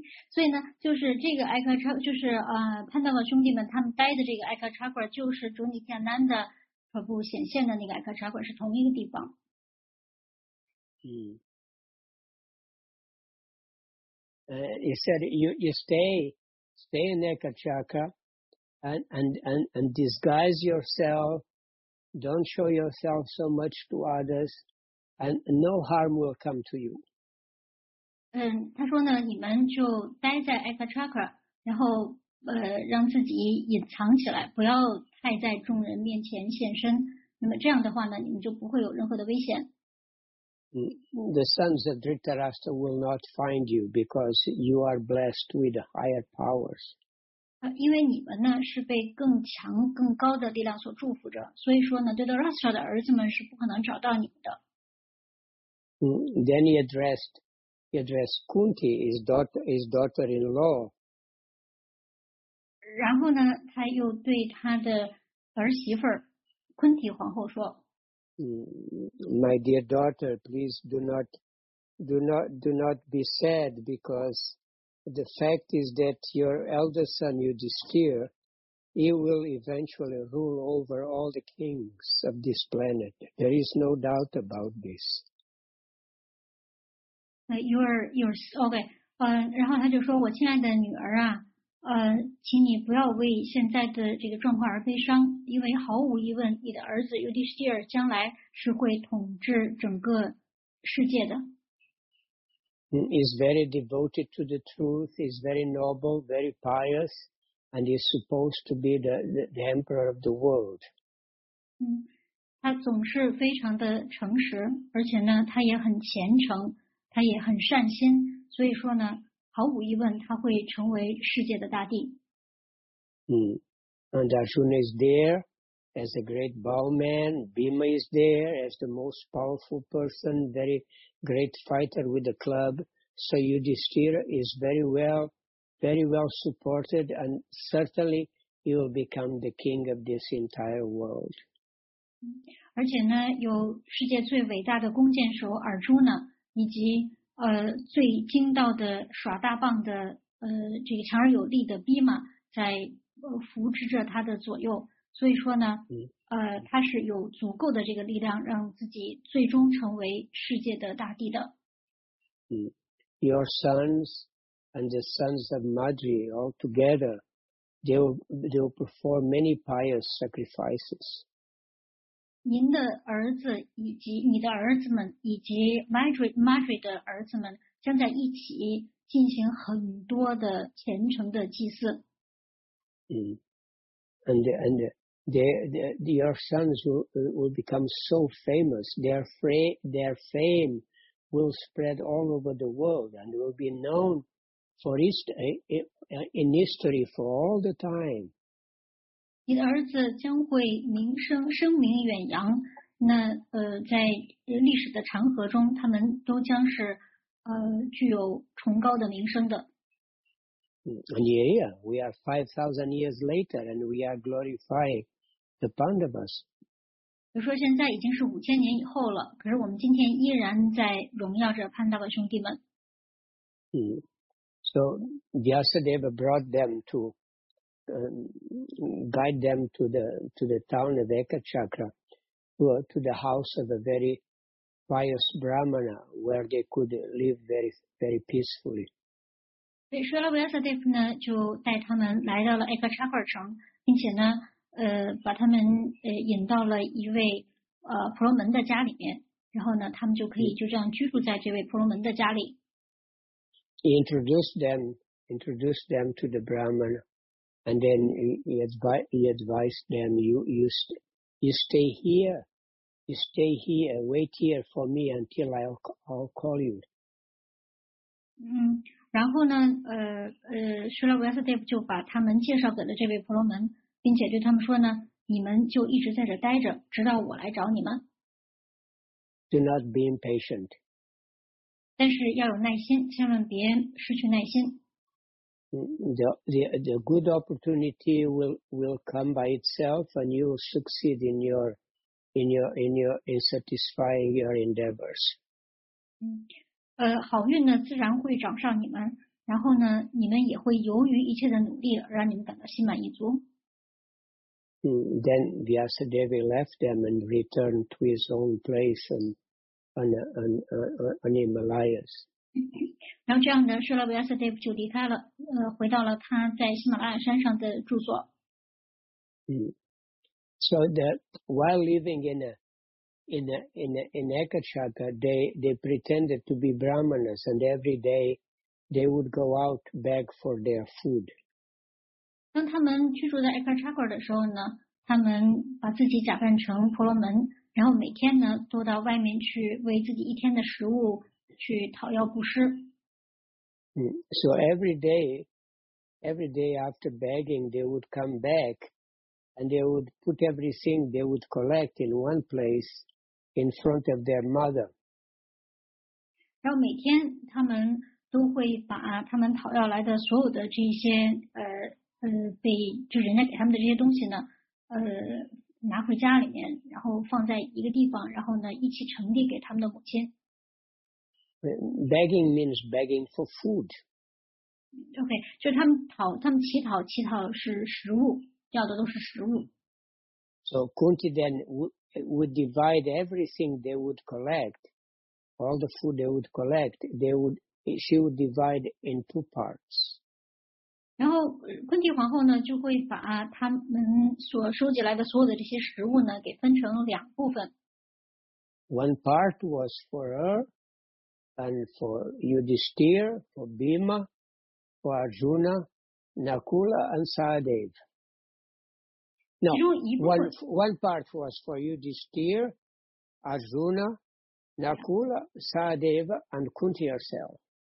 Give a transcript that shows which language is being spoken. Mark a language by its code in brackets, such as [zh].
[zh] 所以呢，就是这个艾克查，就是潘多拉兄弟们他们待的这个艾克查克，就是主尼天南的瀑布显现的那个艾克查克，是同一个地方。 [en] He said you stay in Ekachakra and disguise yourself, don't show yourself so much to others, and no harm will come to you. [zh] 他说呢，你们就待在 Ekachakra， 然后让自己隐藏起来，不要太在众人面前现身。那么这样的话呢，你们就不会有任何的危险。 [en] The sons of Dhritarashtra will not find you because you are blessed with higher powers. [zh] 因为你们呢是被更强、更高的力量所祝福着，所以说呢，Dhritarashtra的儿子们是不可能找到你们的。 [en] Then he addressed Kunti, his daughter-in-law, [zh] 然后呢他又对他的儿媳妇昆提皇后说 [en] My dear daughter, please do not be sad, because the fact is that your elder son Yudhishthira, he will eventually rule over all the kings of this planet. There is no doubt about this. And then he said, [zh] 我亲爱的女儿啊，请你不要为现在的这个状况而悲伤，因为毫无疑问，你的儿子 Yudhishthira 将来是会统治整个世界的。 [en] Is very devoted to the truth, is very noble, very pious, and is supposed to be the emperor of the world. [zh] 他总是非常的诚实，而且呢，他也很虔诚，他也很善心，所以说呢，毫无疑问，他会成为世界的大帝。 [en] And Arjuna is there as a great bowman, Bhima is there as the most powerful person, very great fighter with the club. So Yudhishthira is very well supported, and certainly he will become the king of this entire world. [zh] 而且呢，有世界最伟大的弓箭手尔朱呢，以及最精到的耍大棒的这个强而有力的弼马在扶持着他的左右，所以说呢，他是有足够的这个力量，让自己最终成为世界的大帝的。 [en] Your sons and the sons of Madri all together, they will perform many pious sacrifices. [zh] 您的儿子以及你的儿子们以及 Madri 的儿子们将在一起进行很多的虔诚的祭祀。 [en] Your sons will become so famous. Their fame will spread all over the world and will be known in history for all the time. [zh] 你的儿子将会名声声名远扬，那在历史的长河中，他们都将是具有崇高的名声的。 [en] And yeah, we are 5,000 years later, and we are glorifying the Pandavas. [zh] 比如说现在已经是五千年以后了，可是我们今天依然在荣耀着潘达瓦兄弟们。 [en] So Vyasadeva brought them to guide them to the town of Ekachakra, to the house of a very pious Brahmana, where they could live very, very peacefully. [zh] 对，说了 Vyasadeva 呢，就带他们来到了 Ekachakra 城，并且呢，把他们引到了一位婆罗门的家里面，然后呢，他们就可以就这样居住在这位婆罗门的家里。 [en] Introduced them to the Brahman. And then he advised them, you stay here, wait here for me until I'll call you. [zh] 然后呢，舍拉维亚萨德夫就把他们介绍给了这位婆罗门，并且对他们说呢，你们就一直在这待着，直到我来找你们。 [en] Do not be impatient. [zh] 但是要有耐心，千万别失去耐心。 [en] The good opportunity will come by itself, and you will succeed in satisfying your endeavors. [zh] 好运呢自然会找上你们，然后呢，你们也会由于一切的努力而让你们感到心满意足。 [en] Then Vyasadeva left them and returned to his own place on the Himalayas. [zh] 然后这样的时候 Vyasadeva 就离开了，回到了他在喜马拉雅山上的住所。 [en] So that while living in Ekachakra, they pretended to be Brahmanas, and every day they would go out to beg for their food. [zh] 当他们居住在 Ekachakra 的时候呢，他们把自己假扮成婆罗门，然后每天呢都到外面去为自己一天的食物去讨要布施。 [en] So every day after begging, they would come back and they would put everything they would collect in one place in front of their mother. [zh] 然后每天他们都会把他们讨要来的所有的这些被就人家给他们的这些东西呢，拿回家里面，然后放在一个地方，然后呢一起呈递给他们的母亲。 [en] Begging means begging for food. [zh] Okay, 就是他们讨，他们乞讨，乞讨是食物，要的都是食物。 [en] So Kunti then would divide everything they would collect, all the food they would collect, she would divide in two parts. [zh] 然后昆蒂皇后呢，就会把他们所收集来的所有的这些食物呢，给分成两部分。 [en] One part was for her. And for Yudhishthir, for Bhima, for Arjuna, Nakula, and Sahadev. No, one part was for Yudhishthir, Arjuna, Nakula, Sahadev, and Kunti herself.